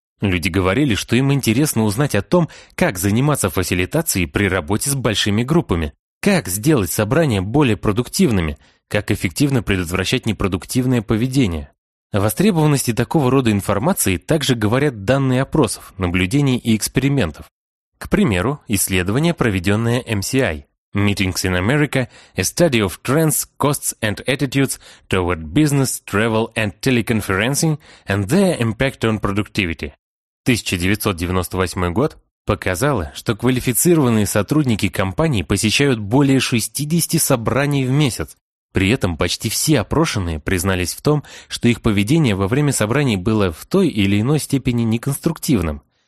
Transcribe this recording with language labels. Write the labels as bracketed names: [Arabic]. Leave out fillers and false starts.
[Russian] Люди говорили, что им интересно узнать о том, как заниматься фасилитацией при работе с большими группами, как сделать собрания более продуктивными, как эффективно предотвращать непродуктивное поведение. О востребованности такого рода информации также говорят данные опросов, наблюдений и экспериментов. К примеру, исследование, проведенное MCI. [English] Meetings in America, a study of trends, costs and attitudes toward business, travel and teleconferencing and their impact on productivity. [Russian] 1998 год показало, что квалифицированные сотрудники компании посещают более 60 собраний в месяц. При этом почти все опрошенные признались в том, что их поведение во время собраний было в той или иной степени неконструктивным.